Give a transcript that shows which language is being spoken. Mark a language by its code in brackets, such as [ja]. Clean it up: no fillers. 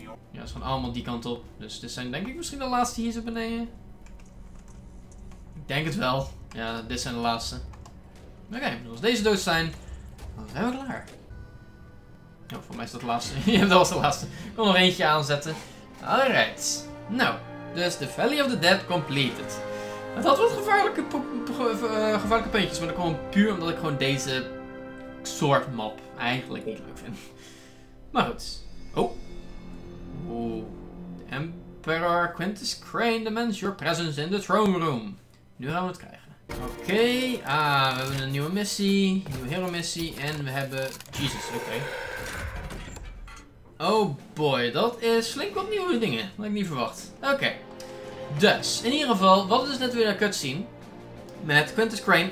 [nl] Ja, ze gaan allemaal die kant op. Dus dit zijn denk ik misschien de laatste hier zo beneden. Ik denk het wel. Ja, dit zijn de laatste. Oké, okay, als deze dood zijn, dan zijn we klaar. Oh, voor mij is dat de laatste. Ja, dat was de laatste. Ik kon nog eentje aanzetten. [en] Alright. [nl] Nou, dus the Valley of the Dead completed. Het had wat gevaarlijke puntjes, maar dat kwam puur omdat ik gewoon deze soort map eigenlijk niet leuk vind. Maar goed. Oh. Oeh. [en] The Emperor Quintus Crane demands your presence in the throne room. [nl] Nu gaan we het krijgen. Oké, we hebben een nieuwe missie. Een nieuwe hero missie. En we hebben... Jesus, oké. [en] Oh boy, [nl] dat is flink wat nieuwe dingen. Dat had ik niet verwacht. Oké. Dus, in ieder geval, wat is net weer een cutscene met Quintus Crane.